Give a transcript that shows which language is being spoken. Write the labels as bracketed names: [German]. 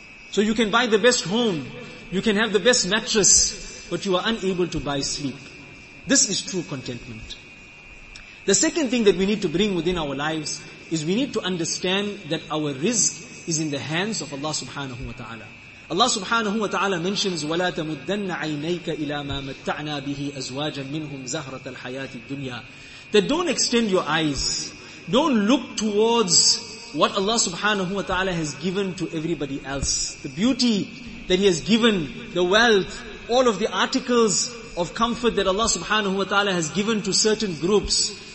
[English] So you can buy the best home, you can have the best mattress, but you are unable to buy sleep. This is true contentment. The second thing that we need to bring within our lives is we need to understand that our rizq is in the hands of Allah subhanahu wa ta'ala. Allah subhanahu wa ta'ala mentions, [Arabic] وَلَا تَمُدَّنَّ عَيْنَيْكَ إِلَى مَا مَتَّعْنَا بِهِ أَزْوَاجًا مِّنْهُمْ زَهْرَةَ الْحَيَاةِ الدُّنْيَا. [English] That don't extend your eyes. Don't look towards what Allah subhanahu wa ta'ala has given to everybody else. The beauty that He has given, the wealth, all of the articles of comfort that Allah subhanahu wa ta'ala has given to certain groups.